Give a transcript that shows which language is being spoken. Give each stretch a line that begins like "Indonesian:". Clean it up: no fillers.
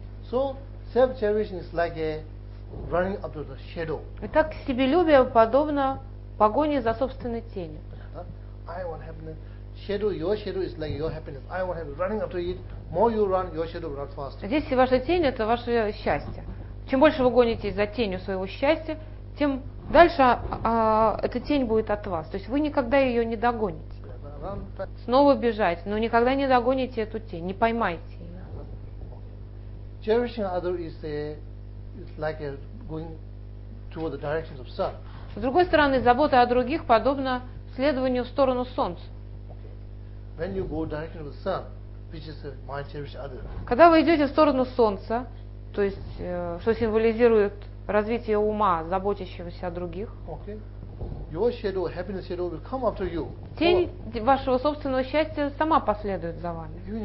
English: So self-cherishing is like a running after the shadow.
Russian: Итак, себелюбие подобно погоне за собственной тенью.
English: I want happiness. Shadow, your shadow is like your happiness. I want happiness. Running after it, more you run, your shadow will run faster.
Russian: Здесь ваша тень — это ваше счастье. Чем больше вы гонитесь за тенью своего счастья, тем дальше эта тень будет от вас. То есть вы никогда ее не догоните. Снова бежать, но никогда не догоните эту тень, не поймайте.
English: Cherishing other is a, like a going toward the directions of sun.
Russian: С другой стороны, забота о других подобна следованию в сторону солнца.
English: When you go direction of the sun, which is my cherished other.
Russian: Когда вы идете в сторону солнца, то есть что символизирует развитие ума, заботящегося о других.
English: Okay. Your shadow, happiness shadow, will come after you.
Russian: Тень вашего собственного счастья сама последует за вами.